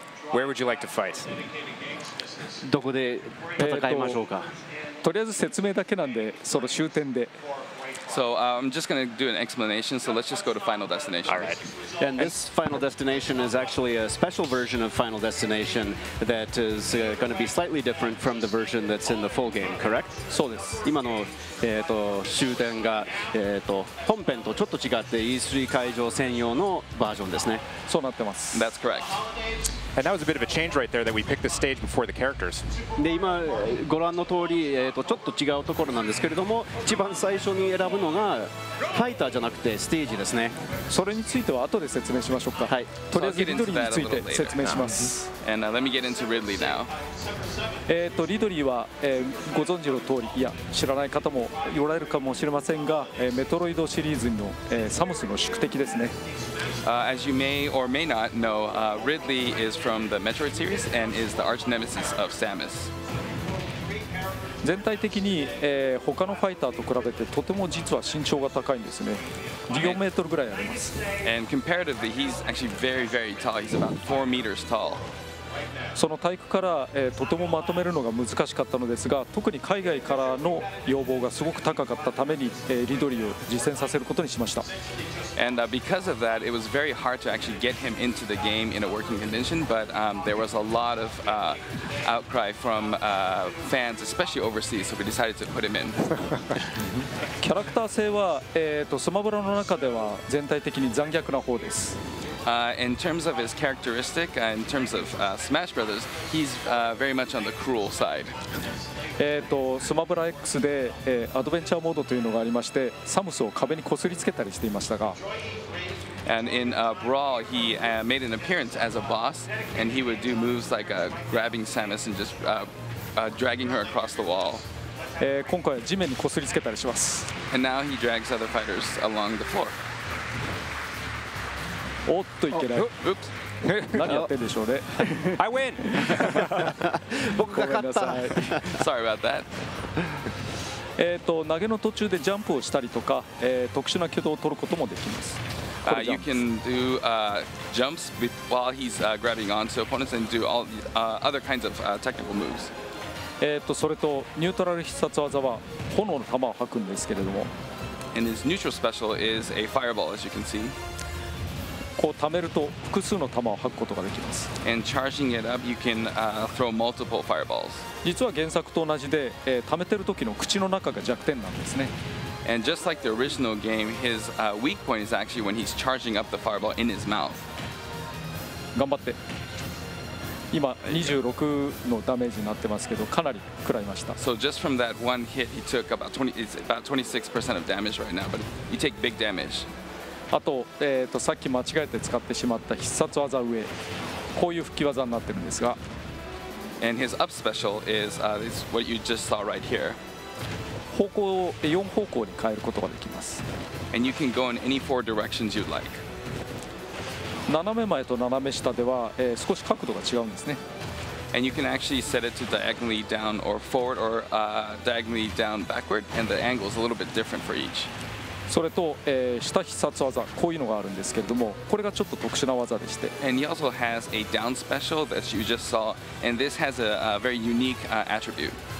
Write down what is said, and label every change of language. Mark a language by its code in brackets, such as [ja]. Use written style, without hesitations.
[en] Where would you like to fight? [ja] どこで戦いましょうか。とりあえず説明だけなんで、その終点で。 [en] So, I'm just going to do an explanation, so let's just go to Final Destination. All right. And this Final Destination is actually a special version of Final Destination that is going to be slightly different from the version that's in the full game, correct? [ja] そうです。今の、終点が、本編とちょっと違って E3 会場専用のバージョンですね。そうなってます。 [en] That's correct. And that was a bit of a change right there that we picked the stage before the characters. [ja] で、今ご覧の通り、ちょっと違うところなんですけれども、一番最初に選ぶのがファイターじゃなくてステージですね。それについては後で説明しましょうか。はい、とりあえずリドリーについて説明します。 [en] And let me get into Ridley now. [ja] リドリーは、ご存知の通り、いや知らない方もおられるかもしれませんが、メトロイドシリーズの、サムスの宿敵ですね。 [en] As you may or may not know, Ridley is from the Metroid series and is the arch nemesis of Samus. [ja] 全体的に、他のファイターと比べてとても実は身長が高いんですね。 4メートルぐらいあります。 [en] And comparatively, he's actually very, very tall. He's about 4 meters tall. [ja] その体育から、とてもまとめるのが難しかったのですが、特に海外からの要望がすごく高かったために、リドリーを実践させることにしました。 [en] And because of that, it was very hard to actually get him into the game in a working condition, but there was a lot of outcry from fans, especially overseas, so we decided to put him in. [ja] キャラクター性は、スマブラの中では全体的に残虐な方です。 [en] In terms of his characteristic, in terms of Smash Brothers, he's very much on the cruel side. [ja] スマブラ X で、アドベンチャーモードというのがありまして、サムスを壁にこすりつけたりしていましたが。 [en] And in Brawl, he made an appearance as a boss, and he would do moves like grabbing Samus and just dragging her across the wall. [ja] 今回は地面にこすりつけたりします。 [en] And now he drags other fighters along the floor. [ja] おっといけない。 [en] Oh, oops. [ja] 何やってんでしょうね。 [en] I win! [ja] 僕が勝った。 [en] Sorry about that. [ja] 投げの途中でジャンプをしたりとか、特殊な挙動を取ることもできます。 [en] You can do jumps while he's grabbing onto opponents and do all other kinds of technical moves. [ja] それとニュートラル必殺技は炎の弾を吐くんですけれども。 [en] And his neutral special is a fireball, as you can see. [ja] こう貯めると複数の弾を吐くことができます。 [en] And charging it up, you can throw multiple fireballs. [ja] 実は原作と同じで、貯めてる時の口の中が弱点なんですね。 [en] And just like the original game, his weak point is actually when he's charging up the fireball in his mouth. [ja] 頑張って。今26のダメージになってますけど、かなり食らいました。 [en] So just from that one hit, he took about 20, it's about 26% of damage right now, but you take big damage. [ja] あと、さっき間違えて使ってしまった必殺技上、こういう吹き技になってるんですが、 [en] And his up special is, is what you just saw right here. [ja] 方向を4方向に変えることができます。 [en] And you can go in any four directions you'd like. [ja] 斜め前と斜め下では、少し角度が違うんですね。 [en] And you can actually set it to diagonally down or forward or diagonally down backward, and the angle is a little bit different for each. [ja] それと、下必殺技、こういうのがあるんですけれども、これがちょっと特殊な技でして。 [en] And he also has a down special that you just saw, and this has a very unique attribute.